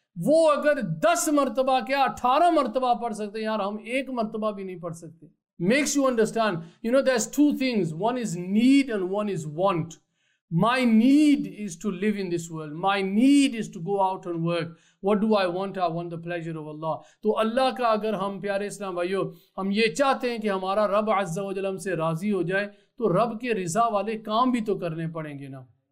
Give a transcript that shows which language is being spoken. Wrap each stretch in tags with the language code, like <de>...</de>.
<ur>وہ اگر 10 مرتبہ کیا 18 مرتبہ پڑھ سکتے ہیں, یار ہم 1 مرتبہ بھی نہیں پڑھ سکتے.</ur> <en>Makes you understand, you know, there's 2 things. One is need and one is want. My need is to live in this world. My need is to go out and work. What do I want? I want the pleasure of Allah.</en> <ur>تو اللہ کا اگر ہم پیارے اسلام بھائیو ہم یہ چاہتے ہیں کہ ہمارا رب عز و جل ہم سے راضی ہو جائے, تو رب کے رضا والے کام بھی تو کرنے پڑیں گے نا.</ur>